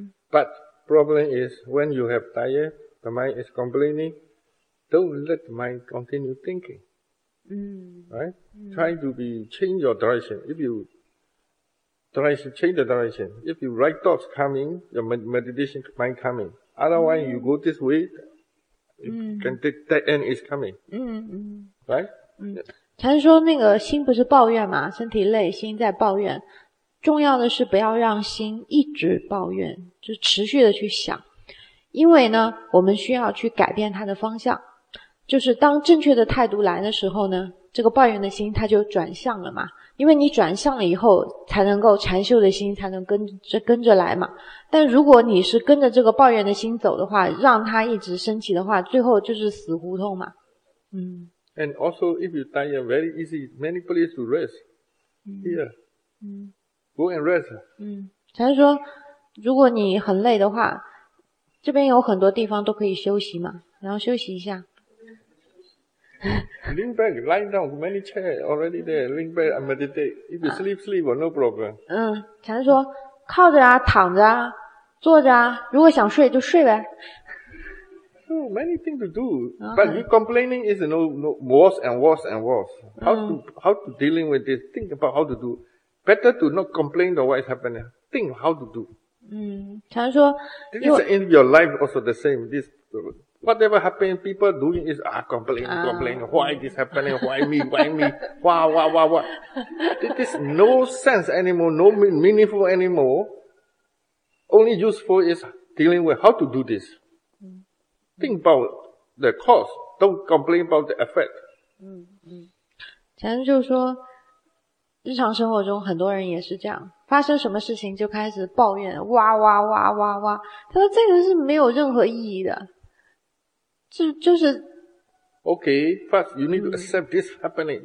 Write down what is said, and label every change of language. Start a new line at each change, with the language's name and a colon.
English: But problem is when you have tired, the mind is complaining, don't let the mind continue thinking. Right? Try to change your direction. If you Try to change the direction. If you right thoughts coming, your meditation mind coming. Otherwise, you go this way, you can take that end is coming. Right?
Chinese: 禅师说那个心不是抱怨嘛，身体累，心在抱怨。重要的是不要让心一直抱怨，就持续的去想。因为呢，我们需要去改变它的方向。就是当正确的态度来的时候呢，这个抱怨的心它就转向了嘛。因为你转向了以后，才能够禅修的心才能跟着来嘛。但如果你是跟着这个抱怨的心走的话，让它一直升起的话，最后就是死胡同嘛。
English: And also, if you tire, very easy, many places to rest. Here. Go and rest.
Chinese: 禅师说，如果你很累的话，这边有很多地方都可以休息嘛，然后休息一下。
English: Lean back, lying down, many chairs already there, lean back and meditate. If you sleep, sleep, no problem.
Chinese: 禅师说，靠着啊，躺着啊，坐着啊，如果想睡就睡呗。
English: So many things to do, but you complaining is no worse and worse and worse. How to dealing with this? Think about how to do. Better to not complain about what is happening. Think how to do.
Chinese: 禅师说
English: This is in your life also the same. This, whatever happened, people doing is complaining. Why this happening? Why me? Why? This is no sense anymore, no meaningful anymore. Only useful is dealing with how to do this. Think about the cause, don't complain about the effect.
Chinese: 禅师就说，日常生活中很多人也是这样，发生什么事情就开始抱怨，哇哇哇哇哇。他说这个是没有任何意义的，就是。
English: Okay, first you need to accept this happening.